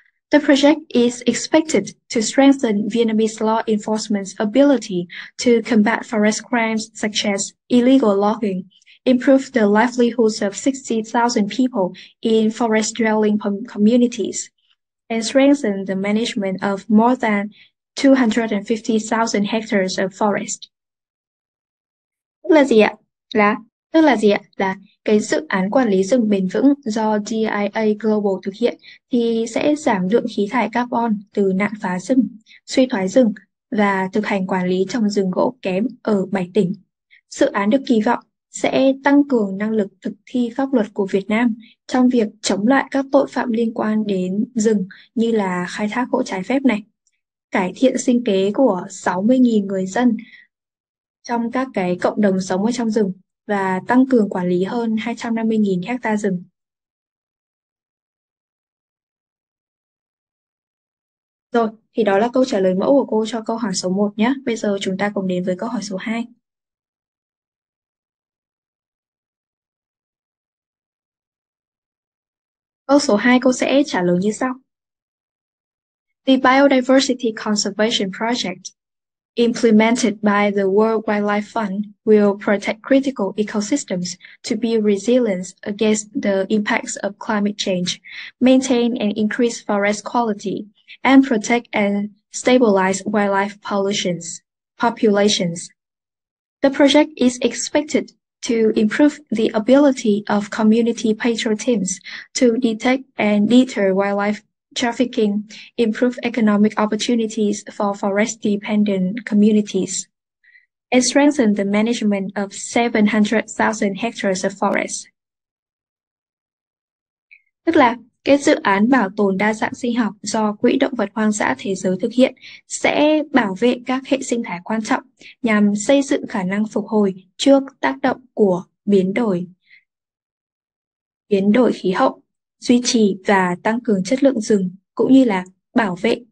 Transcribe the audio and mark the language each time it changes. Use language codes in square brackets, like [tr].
[en] The project is expected to strengthen Vietnamese law enforcement's ability to combat forest crimes such as illegal logging, improve the livelihoods of 60,000 people in forest-dwelling communities, and strengthen the management of more than 250,000 hectares of forest. [vi] Tức là gì ạ? Cái dự án quản lý rừng bền vững do DIA Global thực hiện thì sẽ giảm lượng khí thải carbon từ nạn phá rừng, suy thoái rừng và thực hành quản lý trồng rừng gỗ kém ở 7 tỉnh. Dự án được kỳ vọng sẽ tăng cường năng lực thực thi pháp luật của Việt Nam trong việc chống lại các tội phạm liên quan đến rừng như là khai thác gỗ trái phép này, cải thiện sinh kế của 60.000 người dân trong các cái cộng đồng sống ở trong rừng và tăng cường quản lý hơn 250.000 hecta rừng. Rồi, thì đó là câu trả lời mẫu của cô cho câu hỏi số 1 nhé. Bây giờ chúng ta cùng đến với câu hỏi số 2. Câu số 2 cô sẽ trả lời như sau. [en] The Biodiversity Conservation Project implemented by the World Wildlife Fund will protect critical ecosystems to build resilience against the impacts of climate change, maintain and increase forest quality, and protect and stabilize wildlife populations. The project is expected to improve the ability of community patrol teams to detect and deter wildlife trafficking, improve economic opportunities for forest-dependent communities, and strengthen the management of 700,000 hectares of forest. [vi] Tức là, cái dự án bảo tồn đa dạng sinh học do Quỹ Động vật Hoang dã Thế giới thực hiện sẽ bảo vệ các hệ sinh thái quan trọng nhằm xây dựng khả năng phục hồi trước tác động của biến đổi khí hậu, duy trì và tăng cường chất lượng rừng, cũng như là bảo vệ